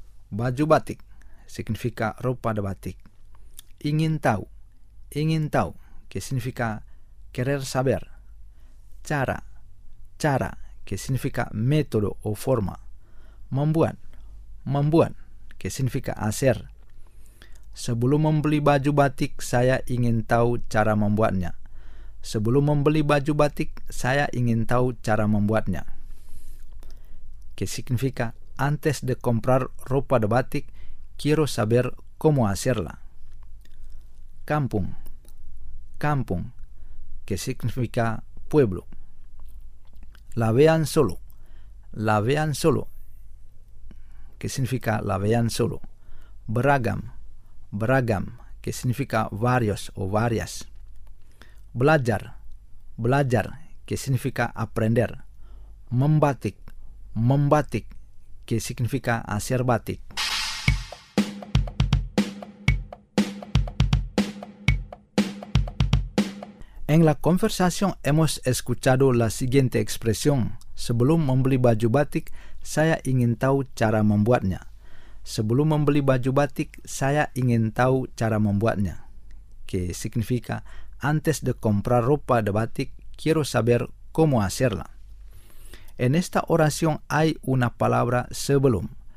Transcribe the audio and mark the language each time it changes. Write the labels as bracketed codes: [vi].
[id] Baju batik [es] significa ropa de batik. [id] Ingin tahu. Ingin tahu, [es] que significa querer saber. [id] Cara. Cara, [es] que significa método o forma. [id] Membuat. Membuat, [es] que significa hacer. [id] Sebelum membeli baju batik, saya ingin tahu cara membuatnya. Sebelum membeli baju batik, saya ingin tahu cara membuatnya. [es] Que significa antes de comprar ropa de batik, quiero saber cómo hacerla. [id] Kampung. Kampung, [es] que significa pueblo. Lawean Solo. Lawean Solo, que significa Lawean Solo. [id] Beragam. Beragam, [es] que significa varios o varias. [id] Belajar. Belajar, [es] que significa aprender. [id] Membatik. Membatik, [es] que significa hacer batik. En la conversación hemos escuchado la siguiente expresión. [id] Sebelum membeli baju batik, saya ingin tahu cara membuatnya. Sebelum membeli baju batik, saya ingin tahu cara membuatnya. [es] Que significa antes de comprar ropa de batik, quiero saber cómo hacerla. En esta oración hay una palabra sebelum.